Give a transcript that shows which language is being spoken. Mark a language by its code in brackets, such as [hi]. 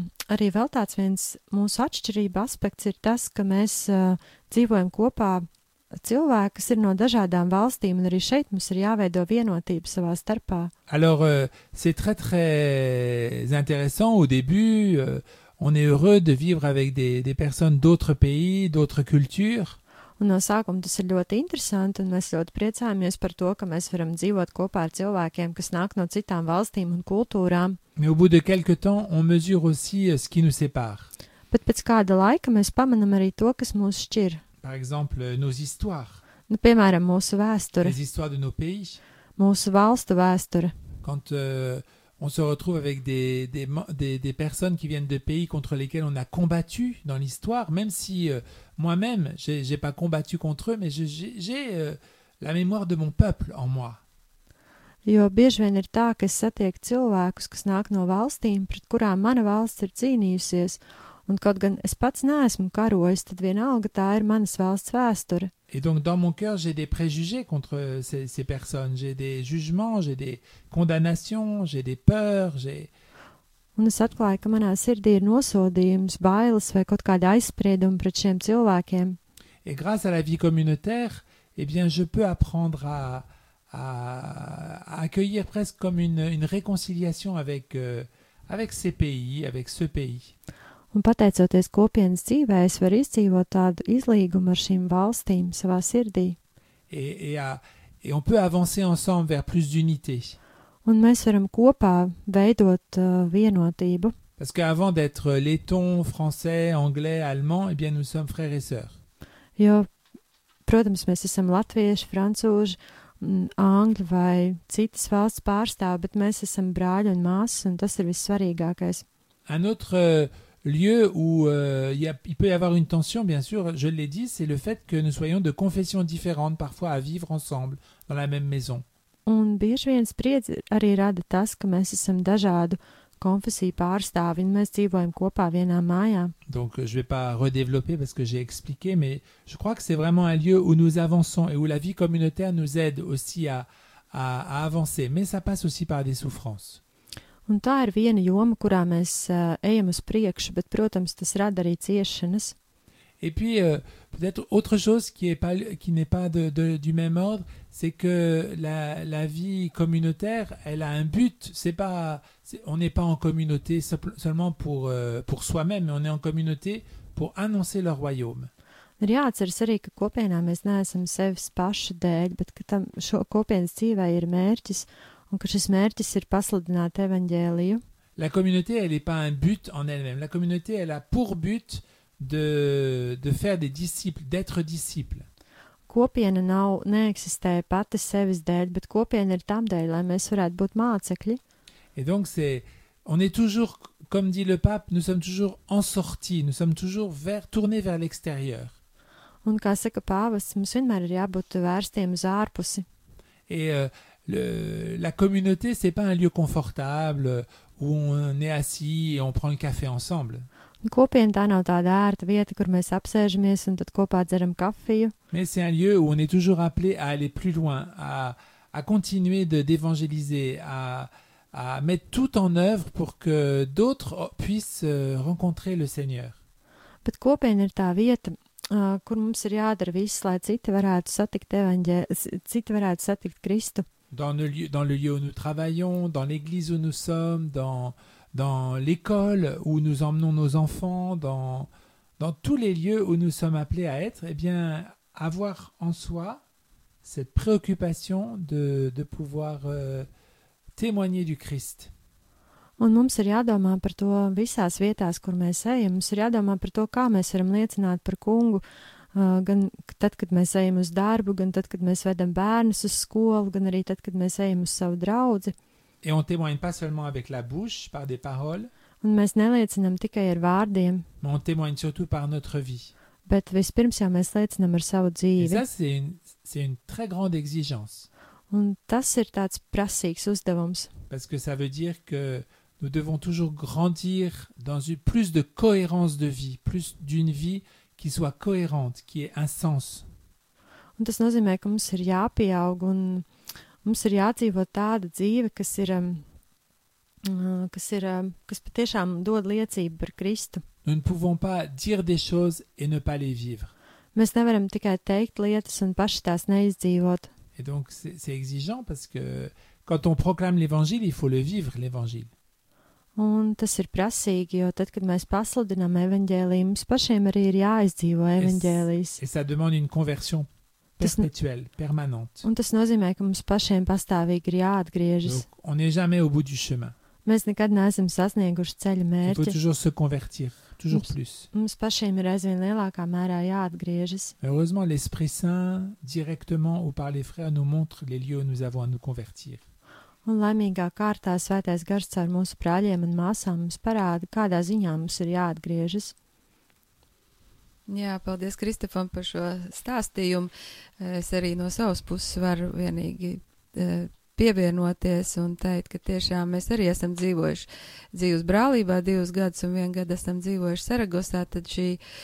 [lv] Arī vēl tāds viens mūsu atšķirība aspekts ir tas, ka mēs dzīvojam kopā cilvēki, kas ir no dažādām valstīm, un arī šeit mums ir jāveido vienotība savā starpā. [fr] Alors, c'est très, très intéressant au début. On est heureux de vivre avec des personnes d'autres pays, d'autres cultures. [lv] Un no sākuma tas ir ļoti interesanti, un mēs ļoti priecājamies par to, ka mēs varam dzīvot kopā ar cilvēkiem, kas nāk no citām valstīm un kultūrām. [fr] Mais au bout de quelque temps, on mesure aussi ce qui nous sépare. [lv] Bet pēc kāda laika mēs pamanām arī to, kas mūs šķir. [fr] Par exemple, nos histoires. [lv] Nu, piemēram, mūsu vēsture. [fr] Les histoires de nos pays. [lv] Mūsu valstu vēsture. [fr] Quand on se retrouve avec des personnes qui viennent de pays contre lesquels on a combattu dans l'histoire, même si moi-même, j'ai pas combattu contre eux, mais j'ai la mémoire de mon peuple en moi. [lv] Jo bieži vien ir tā, ka es satieku cilvēkus, kas nāk no valstīm, pret kurām mana valsts ir cīnījusies, un kaut gan es pats neesmu karojis, tad vienalga tā ir manas valsts vēsture. [fr] Et donc dans mon cœur, j'ai des préjugés contre ces personnes, j'ai des jugements, j'ai des condamnations, j'ai des peurs, j'ai... [lv] Un es atklāju, ka manā sirdī ir nosodījums, bailes vai kaut kādi aizspriedumi pret šiem cilvēkiem. [fr] Et grâce à la vie communautaire, eh bien, je peux apprendre à accueillir presque comme une réconciliation avec ces pays, avec ce pays. [lv] Un pateicoties kopienas dzīvē, es varu izdzīvot tādu izlīgumu ar šīm valstīm savā sirdī. [fr] Et on peut avancer ensemble vers plus d'unité. [lv] Un mēs varam kopā veidot vienotību. [fr] Parce qu'avant d'être letton, français, anglais, allemand, eh bien nous sommes frères et sœurs. [lv] Jo, protams, mēs esam latvieši, francūži, angļu vai citas valsts pārstāv, bet mēs esam brāļi un māsas, un tas ir vissvarīgākais. [fr] Un autre lieu où il peut y avoir une tension, bien sûr, je l'ai dit, c'est le fait que nous soyons de confessions différentes, parfois à vivre ensemble, dans la même maison. [lv] Un bieži vien spriedzi arī rada tas, ka mēs esam dažādu konfesiju pārstāvi, un mēs dzīvojam kopā vienā mājā. [fr] Donc, je vais pas redévelopper parce que j'ai expliqué, mais je crois que c'est vraiment un lieu où nous avançons et où la vie communautaire nous aide aussi à avancer, mais ça passe aussi par des souffrances. [lv] Un tā ir viena joma, kurā mēs ejam uz priekšu, bet, protams, tas rada arī ciešanas. [fr] Et puis, peut-être autre chose qui n'est pas du même ordre, c'est que la vie communautaire, elle a un but. On n'est pas en communauté seulement pour soi-même, mais on est en communauté pour annoncer le royaume. [lv] Ir jāatceras arī, ka kopienā mēs neesam sevis paši dēļ, bet ka tam šo kopienas dzīvē ir mērķis, un ka šis mērķis ir pasludināt evaņģēliju. [fr] La communauté, elle n'est pas un but en elle-même. La communauté, elle a pour but de faire des disciples, d'être disciples. [lv] Kopiena nav neeksistē pati sevis dēļ, bet kopiena ir tam dēļ, lai mēs varētu būt mācekļi. [fr] Et donc c'est on est toujours comme dit le pape, nous sommes toujours en sortie, nous sommes toujours tournés vers l'extérieur. [lv] Un kā saka pāvests, mums vienmēr ir jābūt vērstiem uz ārpusi. [fr] Et la communauté, c'est pas un lieu confortable où on est assis et on prend le café ensemble. [lv] Kopiena tā nav tāda ērta vieta, kur mēs apsēžamies un tad kopā dzeram kafiju. [fr] Mais c'est un lieu où on est toujours appelé à aller plus loin, à continuer d'évangéliser, à mettre tout en œuvre pour que d'autres puissent rencontrer le Seigneur. [lv] Bet kopiena ir tā vieta, kur mums ir jādara viss, lai citi varētu satikt Kristu. [fr] Dans le lieu où nous travaillons, dans l'église où nous sommes, dans l'école où nous emmenons nos enfants, dans tous les lieux où nous sommes appelés à être, eh bien, avoir en soi cette préoccupation de pouvoir témoigner du Christ. [lv] Un mums ir jādomā par to visās vietās, kur mēs ejam. Mums ir jādomā par to, kā mēs varam liecināt par kungu, gan tad, kad mēs ejam uz darbu, gan tad, kad mēs vedam bērnus uz skolu, gan arī tad, kad mēs ejam uz savu draudzi. [fr] Et on témoigne pas seulement avec la bouche, par des paroles. [lv] Un mēs neliecinām tikai ar vārdiem. [fr] Mais on témoigne surtout par notre vie. [lv] Bet vispirms jau mēs liecinām ar savu dzīvi. [fr] Et ça, c'est une très grande exigence. [lv] Un tas ir tāds prasīgs uzdevums. [fr] Parce que ça veut dire que nous devons toujours grandir dans une plus de cohérence de vie, plus d'une vie qui soit cohérente, qui ait un sens. [lv] Un tas nozīmē, ka mums ir jāpieaug un mums ir jādzīvo tāda dzīve, kas patiešām dod liecību par Kristu. [fr] Nous ne pouvons pas dire des choses et ne pas les vivre. [lv] Mēs nevaram tikai teikt lietas un paši tās neizdzīvot. [fr] Et donc c'est exigeant parce que quand on proclame l'évangile, il faut le vivre l'évangile. [lv] Un tas ir prasīgi, jo tad, kad mēs pasludinām evaņģēliju, mums pašiem arī ir jāizdzīvo evaņģēlijas. [fr] Et ça demande une conversion perpétuelle, permanente. [lv] Un tas nozīmē, ka mums pašiem pastāvīgi ir jāatgriežas. [fr] On n'est jamais au bout du chemin. [lv] Mēs nekad neesam sasnieguši ceļa mērķi. [fr] Il faut toujours se convertir, toujours plus. [lv] Mums pašiem ir aizvien lielākā mērā jāatgriežas. [fr] Heureusement, l'Esprit Saint, directement ou par les frères, nous montre les lieux où nous avons à nous convertir. [lv] Un laimīgā kārtā svētais gars caur mūsu prāļiem un māsām mums parāda, kādā ziņā mums ir jāatgriežas. Jā, paldies Kristofam par šo stāstījumu. Es arī no savas puses varu vienīgi pievienoties un teikt, ka tiešām mēs arī esam dzīvojuši dzīves brālībā divus gadus un vienu gadu esam dzīvojuši Saragosā, tad šī